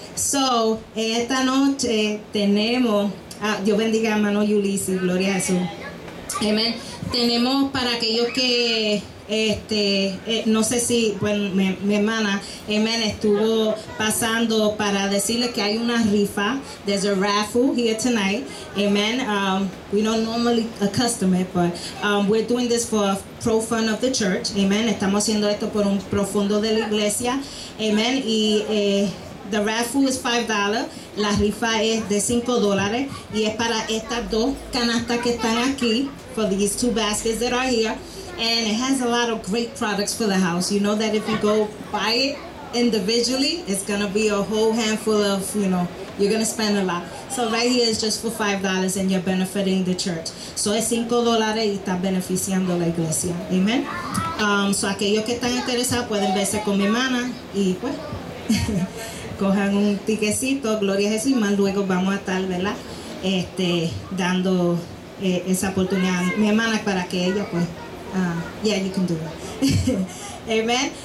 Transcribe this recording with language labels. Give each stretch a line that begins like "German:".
Spanish: So, esta noche tenemos, Dios bendiga a hermano Ulises, gloria a Jesús. Amen. Tenemos para aquellos que, no sé si, bueno, mi hermana, amen, estuvo pasando para decirle que hay una rifa.
English: There's a raffle here tonight. Amen. We don't normally accustom it, but we're doing this for a pro fund of the church. Amen.
Spanish: Estamos haciendo esto por un profundo de la iglesia. Amen. Y
English: the raffle is $5.
Spanish: La rifa es de $5. Y es para estas dos canastas que están aquí.
English: For these two baskets that are here. And it has a lot of great products for the house. You know that if you go buy it individually, it's going to be a whole handful of, you know, you're going to spend a lot. So right here is just for $5 and you're benefiting the church.
Spanish: So es $5 y está beneficiando la iglesia. Amen. So aquellos que están interesados pueden verse con mi hermana y pues, cojan un tiquecito, gloria a Jesús, y más luego vamos a estar, ¿verdad? Dando esa oportunidad a mi hermana para que ella pues,
English: yeah, you can do it.
Spanish: Amen.